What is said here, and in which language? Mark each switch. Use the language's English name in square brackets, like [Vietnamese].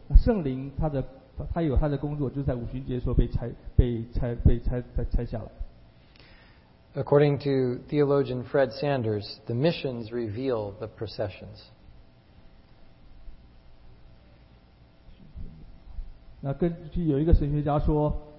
[Chinese] 圣灵他有他的工作，就是在五旬节时候被拆下来。 [English] According to theologian Fred Sanders, the missions reveal the processions. [Chinese] 那根据有一个神学家说，